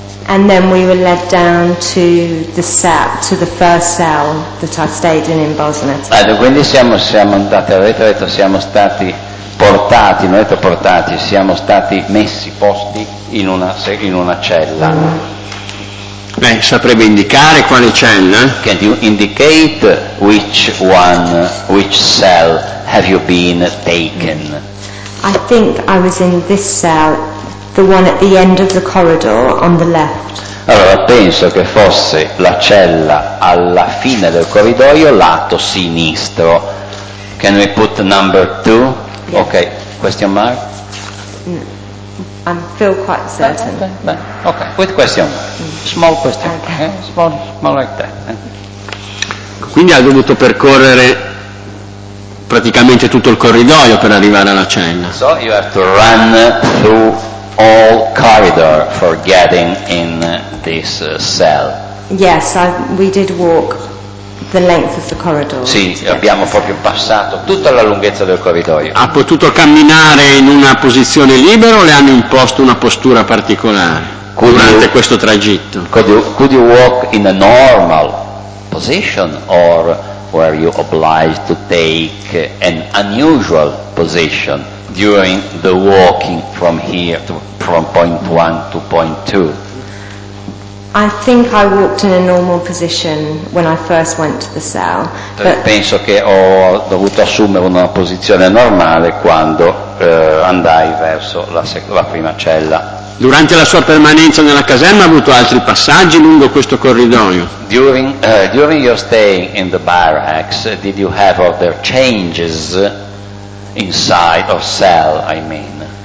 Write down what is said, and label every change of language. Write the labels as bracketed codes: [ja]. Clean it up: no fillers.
[en] And then we were led down to the cell, to the first cell that I stayed in Bosnia. [it] Quindi siamo stati messi, posti in una cella. Beh, saprebbe indicare quale cella? [en] Can you indicate which cell have you been taken? I think I was in this cell, the one at the end of the corridor on the left. [it] Allora penso che fosse la cella alla fine del corridoio lato sinistro. [en] Can we put number 2? Yes. Okay, question mark? I feel quite certain. Okay, with question mark. Small question. Small like that. [it] Quindi ha dovuto percorrere praticamente tutto il corridoio per arrivare alla cella. [en] So you have to run through all corridor for getting in this cell. Yes, we did walk the length of the corridor. [it] Sì, abbiamo proprio passato tutta la lunghezza del corridoio. Ha potuto camminare in una posizione libera o le hanno imposto una postura particolare durante questo tragitto? [en] Could you walk in a normal position or were you obliged to take an unusual position during the walking from here to from point 1 to point 2? I think I walked in a normal position when I first went to the cell. [it] But penso che ho dovuto assumere una posizione normale quando andai verso la prima cella. Durante la sua permanenza nella caserma ha avuto altri passaggi lungo questo corridoio? [en] During your stay in the barracks, did you have other changes inside or cell, I mean?